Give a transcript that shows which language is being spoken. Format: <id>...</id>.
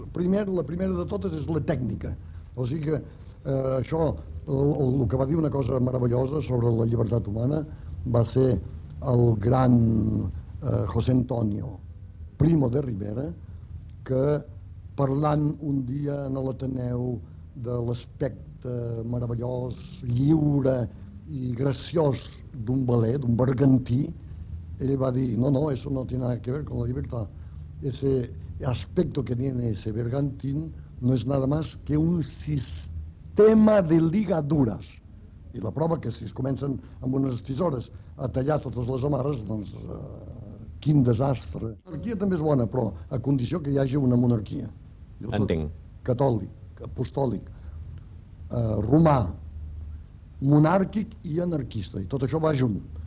<ca>La primera de totes és la tècnica. O sigui que això, el que va dir una cosa meravellosa sobre la llibertat humana va ser el gran José Antonio Primo de Rivera, que parlant un dia en l'Ateneu de l'aspecte meravellós, lliure i graciós d'un veler, d'un bergantí, ell va dir,</ca> <es>no, eso no tiene nada que ver con la libertad. Ese aspecto que tiene ese bergantín no es nada más que un sistema de ligaduras.</es> <ca>I la prova que si es comencen amb unes tisores a tallar totes les amarres, doncs quin desastre. La monarquia també és bona, però a condició que hi hagi una monarquia. Jo entenc. Catòlic, apostòlic, romà, monàrquic i anarquista. I tot això va junt.</ca>